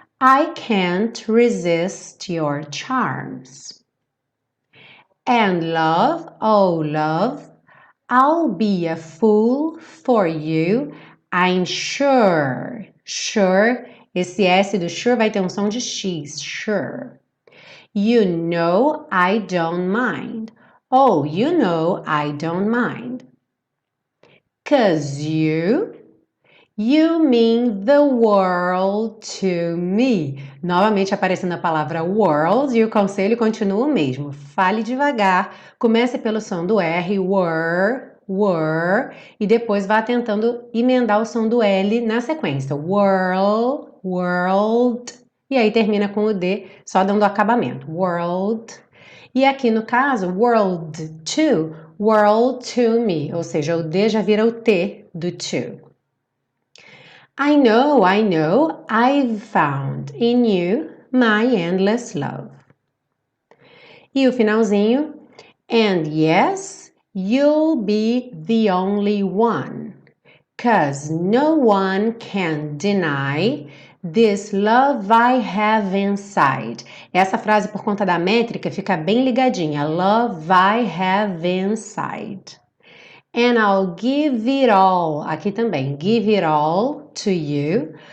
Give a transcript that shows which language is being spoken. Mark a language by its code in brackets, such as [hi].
[en] I can't resist your charms. And love, oh love, I'll be a fool for you. I'm sure. Sure. [pt] Esse S do sure vai ter um som de X. [en] Sure. You know I don't mind. Oh, you know, I don't mind. 'Cause you mean the world to me. [pt] Novamente aparecendo a palavra world e o conselho continua o mesmo. Fale devagar, comece pelo som do R, were, e depois vá tentando emendar o som do L na sequência. World, e aí termina com o D, só dando acabamento. World. E aqui no caso, [en] world to me, [pt] ou seja, o D já vira o T do to. [en] I know, I've found in you my endless love. [pt] E o finalzinho, [en] and yes, you'll be the only one, 'cause no one can deny this love I have inside. [pt] Essa frase, por conta da métrica, fica bem ligadinha. [en] Love I have inside. And I'll give it all, [pt] aqui também, [en] give it all to you.